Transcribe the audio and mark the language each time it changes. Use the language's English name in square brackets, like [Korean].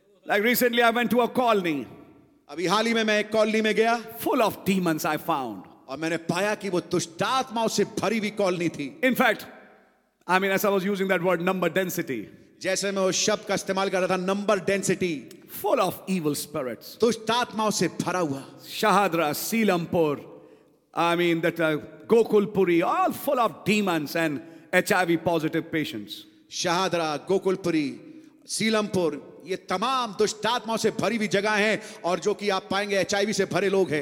[English] Like recently, I went to a colony. [Hindi] अभी हाल ही में मैं एक कॉलोनी में गया. [English] Full of demons, I found. [Hindi] और मैंने पाया कि वो दुष्टात्माओं से भरी हुई कॉलोनी थी. [English] In fact, I mean, as I was using that word, number density. [Hindi] जैसे मैं उस शब्द का इस्तेमाल कर रहा था, number density. [English] Full of evil spirits. [Hindi] दुष्टात्माओं से भरा हुआ. [English] Shahdara, Seelampur, Gokulpuri, all full of demons and HIV positive patients. [Hindi] Shahadra, Gokulpuri, Silampur, ये तमाम दुष्टात्माओं से भरी हुई जगह है और जो कि आप पाएंगे एचआईवी से भरे लोग हैं.